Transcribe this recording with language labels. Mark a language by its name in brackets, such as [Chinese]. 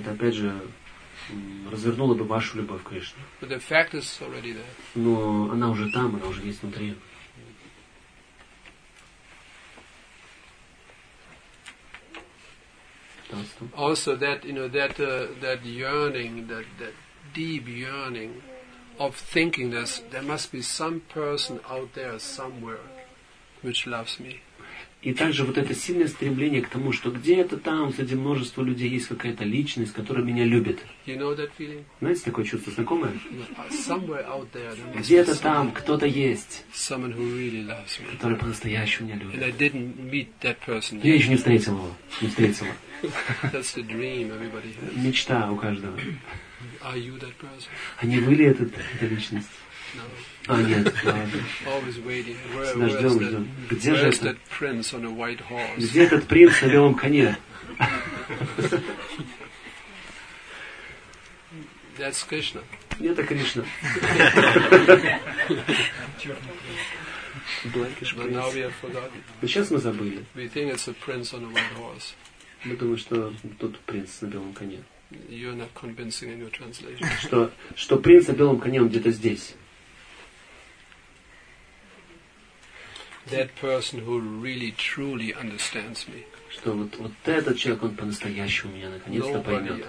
[Russian] Это опять же развернула бы вашу любовь к Кришне. [English] But the fact is already there. [Russian] Но она уже там, она уже есть внутри. [English] Also that, you know, that that yearning, that deep yearning of thinking that there must be some person out there somewhere which loves me. [Russian] И также вот это сильное стремление к тому, что где-то там, среди множества людей, есть какая-то личность, которая меня любит. [English] You know that feeling? [Russian] Знаете, такое чувство знакомое? [English] Somewhere out there, there must [Russian] где-то [English] be [Russian] там кто-то есть, [English] someone who really loves me. [Russian] Который по-настоящему меня любит. [English] And I didn't meet that person yet. [Russian] Я еще не встретил его. Не встретил. [English] That's the dream everybody has. [Russian] Мечта у каждого. [English] Are you that person? [Russian] А не вы ли эта личность? [English] No. [Russian] А, нет, [English] always waiting. [Russian] Всегда ждем, ждем. Где же это? [English] That prince on a white horse? [Russian] Где этот принц на белом коне? [English] That's Krishna. [Russian] Это Кришна. Но сейчас мы забыли. [English] We think it's a prince on a white horse. [Russian] Мы думаем, что тот принц на белом коне. [English] You're not convincing in your translation. [Russian] Что принц на белом коне, он где-то здесь. [English] That person who really truly understands me. [Russian] Что вот этот человек, он по-настоящему меня наконец-то поймет.